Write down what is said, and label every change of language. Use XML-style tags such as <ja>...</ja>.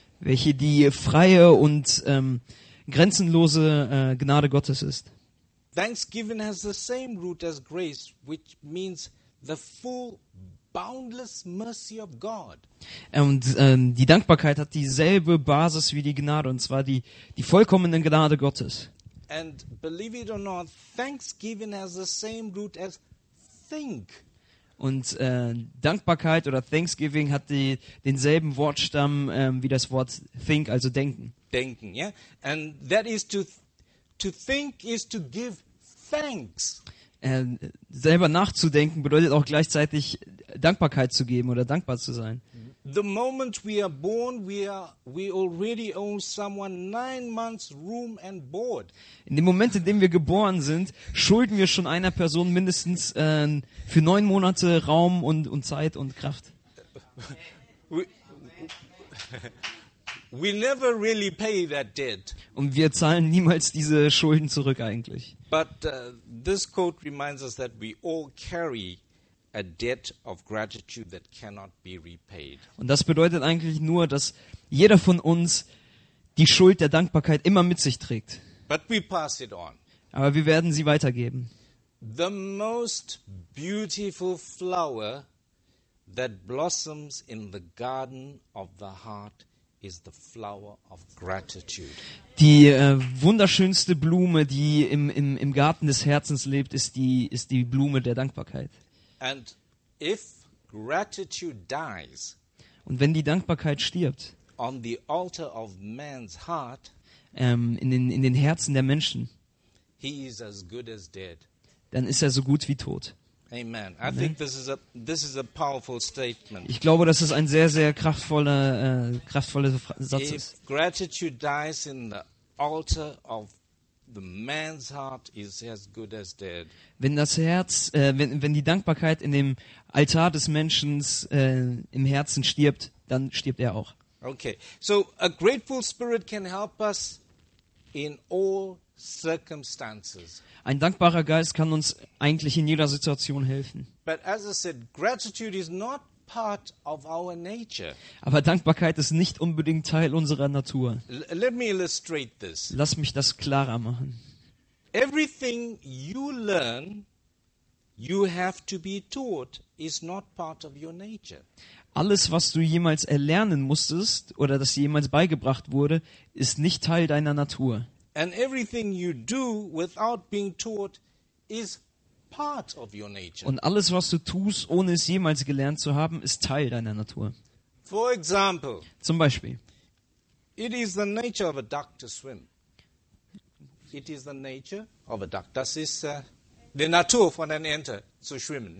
<de>Welche die freie und grenzenlose Gnade Gottes ist.</de> <en>Thanksgiving has the same root as grace, which means the full, boundless mercy of God.</en> <de>Und die Dankbarkeit hat dieselbe Basis wie die Gnade, und zwar die vollkommene Gnade Gottes.</de> <en>And believe it or not, Thanksgiving has the same root as think.</en> <de>Und Dankbarkeit oder Thanksgiving hat denselben Wortstamm wie das Wort think, also denken. Denken, yeah.</de> <en>And that is to think is to give thanks.</en> <de>Selber nachzudenken bedeutet auch gleichzeitig Dankbarkeit zu geben oder dankbar zu sein.</de> <en>The moment we are born, we already own someone 9 months room and board.</en> <de>In dem Moment, in dem wir geboren sind, schulden wir schon einer Person mindestens für 9 Monate Raum und Zeit und Kraft.</de> <en>We never really pay that debt.</en> <de>Und wir zahlen niemals diese Schulden zurück eigentlich.</de> <en>But this quote reminds us that we all carry a debt of gratitude that cannot be repaid.</en> <de>Und das bedeutet eigentlich nur, dass jeder von uns die Schuld der Dankbarkeit immer mit sich trägt.</de> <en>But we pass it on.</en> <de>Aber wir werden sie weitergeben.</de> <en>The most beautiful flower that blossoms in the garden of the heart is the flower of gratitude.</en> <de>Die wunderschönste Blume, die im Garten des Herzens lebt, ist die Blume der Dankbarkeit.</de> <en>And if gratitude dies,</en> <de>und wenn die Dankbarkeit stirbt,</de> <en>on the altar of man's heart,</en> <de>in den Herzen der Menschen,</de> <en>he is as good as dead.</en> <de>Dann ist er so gut wie tot.</de> <en>Amen. I think this is a powerful statement.</en> <de>Ich glaube, dass es ein sehr, sehr kraftvoller Satz ist.</de> <en>If gratitude dies in the altar of the man's heart, is as good as dead.</en> <de>Wenn das Herz, wenn die Dankbarkeit in dem Altar des Menschen im Herzen stirbt, dann stirbt er auch.</de> <en>Okay. So a grateful spirit can help us in all circumstances.</en> <de>Ein dankbarer Geist kann uns eigentlich in jeder Situation helfen.</de> <en>But as I said, gratitude is not part of our nature.</en> <de>Aber Dankbarkeit ist nicht unbedingt Teil unserer Natur.</de> <en>Let me illustrate this.</en> <de>Lass mich das klarer machen.</de> <en>Everything you learn, you have to be taught, is not part of your nature.</en> <de>Alles, was du jemals erlernen musstest oder das jemals beigebracht wurde, ist nicht Teil deiner Natur.</de> <en>And everything you do without being taught is part of your nature.</en> <de>Und alles, was du tust, ohne es jemals gelernt zu haben, ist Teil deiner Natur.</de> <en>For example,</en> <de>zum Beispiel,</de> <en>it is the nature of a duck to swim. It is the nature of a duck.</en> <de>Das ist die Natur von einem Ente zu schwimmen.</de>